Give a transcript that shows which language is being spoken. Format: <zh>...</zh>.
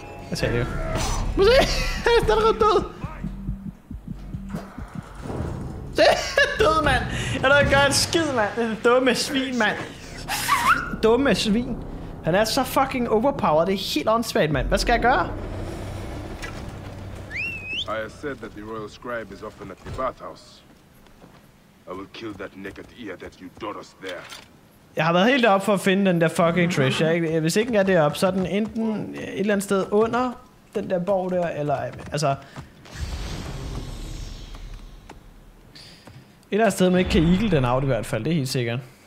<da>Jeg ser det jo. Prøv at se! Den er død! Se! Død, mand! Jeg er nødt til at gøre en skid, mand! Den dumme svin, mand! Dumme svin! Han er så fucking overpowered. Det er helt åndssvagt, mand. Hvad skal jeg gøre?</da> <en>I have said that the royal scribe is often at the bathhouse. I will kill that naked ear that you taught us there.</en> <da>Jeg har været helt deroppe for at finde den der fucking treasure. Hvis ikke er deroppe, så er den enten et eller andet sted under den der borg der, eller... Altså... Et eller andet sted, man ikke kan eagle den out i hvert fald. Det er helt sikkert.</da>